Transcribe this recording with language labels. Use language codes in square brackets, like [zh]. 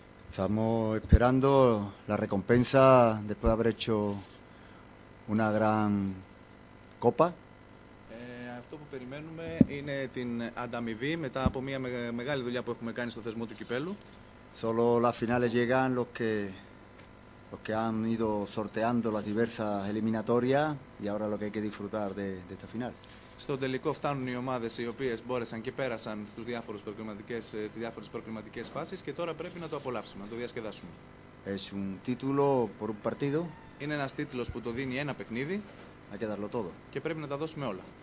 [es] Estamos esperando la recompensa después de haber hecho una gran copa. [el] Αυτό που περιμένουμε είναι την ανταμοιβή μετά από μια μεγάλη δουλειά που έχουμε κάνει στο θεσμό του κυπέλου. [es] Solo las finales llegan los que han ido sorteando las diversas eliminatorias y ahora lo que hay que disfrutar de esta final. [el] Στο τελικό φτάνουν οι ομάδες οι οποίες μπόρεσαν και πέρασαν στις διάφορες προκριματικές φάσεις και τώρα πρέπει να το απολαύσουμε, να το διασκεδάσουμε. [es] Es un título por un partido. [el] Είναι ένας τίτλος που το δίνει ένα παιχνίδι. [es] Hay que darlo todo. [el] Και πρέπει να τα δώσουμε όλα.